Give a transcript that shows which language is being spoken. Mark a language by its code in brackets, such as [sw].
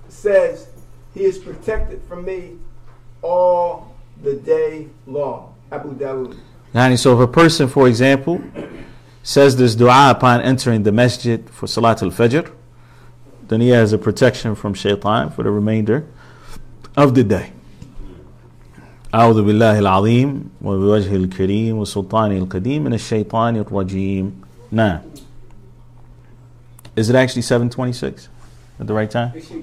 [en] says he is protected from me all the day long. Abu Dawood. So if a person, for example, says this dua upon entering the masjid for Salat al-Fajr, then he has a protection from shaitan for the remainder of the day. [ar] أعوذ بالله العظيم وبوجه الكريم وسلطان القديم من الشيطان الرجيم. [en] Nah. Is it actually 7:26 at the right time?